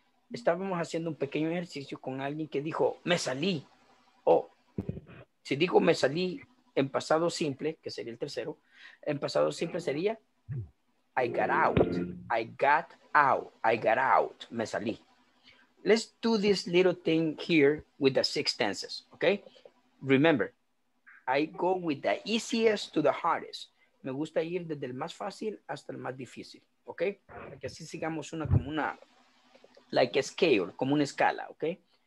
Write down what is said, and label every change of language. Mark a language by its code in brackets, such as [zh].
[es] Estábamos haciendo un pequeño ejercicio con alguien que dijo, me salí. Oh, si digo me salí en pasado simple, que sería el tercero, en pasado simple sería, [en] I got out. I got out. I got out. [es] Me salí. [en] Let's do this little thing here with the six tenses, okay? Remember, I go with the easiest to the hardest. [es] Me gusta ir desde el más fácil hasta el más difícil, okay? Para que así sigamos una como una, [en] like a scale, [es] como una escala, okay?